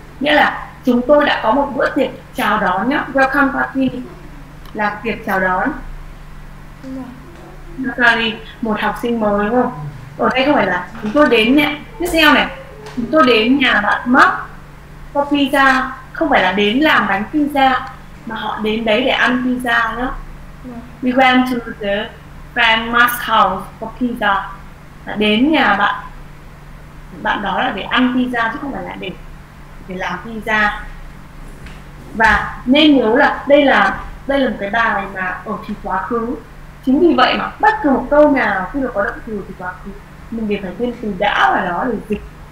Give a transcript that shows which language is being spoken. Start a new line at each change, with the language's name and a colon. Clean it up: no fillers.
Vietnamese: Nghĩa là chúng tôi đã có một bữa tiệc chào đón nhá. Welcome party là tiệc chào đón Sally, một học sinh mới đúng không? Ở đây không phải là chúng tôi đến nhé. Tiếp theo này, chúng tôi đến nhà bạn Mark có pizza, không phải là đến làm bánh pizza. mà họ đến đấy để ăn pizza đó.
English: Yeah. We went to the grandma's house for pizza.
Vietnamese: Là đến nhà bạn bạn đó là để ăn pizza chứ không phải là để làm pizza. Và nên nhớ là đây là một cái bài mà ở thì quá khứ. Chính vì vậy mà bất cứ một câu nào khi mà có động từ thì quá khứ mình đều phải thêm từ đã vào đó để dịch.